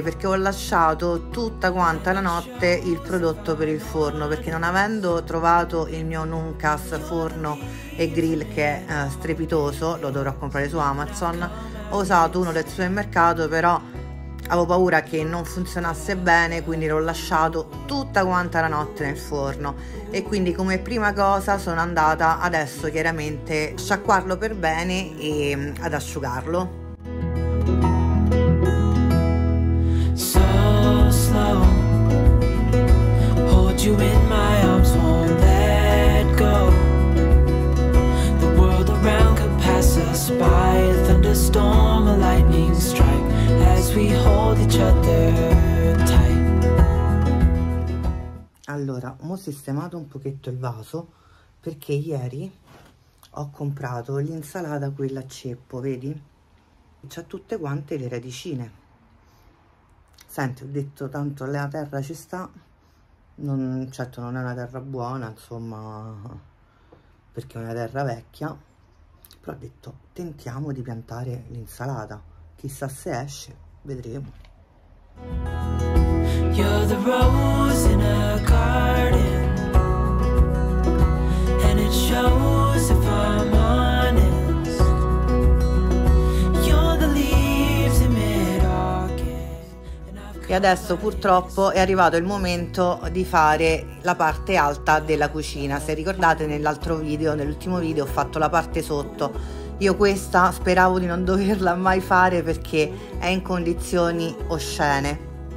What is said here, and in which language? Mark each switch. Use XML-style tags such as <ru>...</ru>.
<it>Perché ho lasciato tutta quanta la notte il prodotto per il forno, perché non avendo trovato il mio Nuncas forno e grill che è strepitoso, lo dovrò comprare su Amazon, ho usato uno del supermercato, però avevo paura che non funzionasse bene, quindi l'ho lasciato tutta quanta la notte nel forno. E quindi come prima cosa sono andata adesso chiaramente a sciacquarlo per bene e ad asciugarlo.</it> <en>So slow, hold you in my arms, won't let go. The world around could pass us by, a thunderstorm, a lightning strike. As we hold each other tight.</en> <it>Allora, ho sistemato un pochetto il vaso perché ieri ho comprato l'insalata quella a ceppo, vedi? C'ha tutte quante le radicine. Senti, ho detto tanto la terra ci sta, non, certo non è una terra buona, insomma, perché è una terra vecchia, però ho detto tentiamo di piantare l'insalata. Chissà se esce, vedremo.</it> <en>You're the rose in a garden, and it shows if I'm honest. You're the leaves in mid-August.</en> <it>E adesso purtroppo è arrivato il momento di fare la parte alta della cucina. Se ricordate nell'altro video, nell'ultimo video, ho fatto la parte sotto. Io questa speravo di non doverla mai fare perché è in condizioni oscene.</it>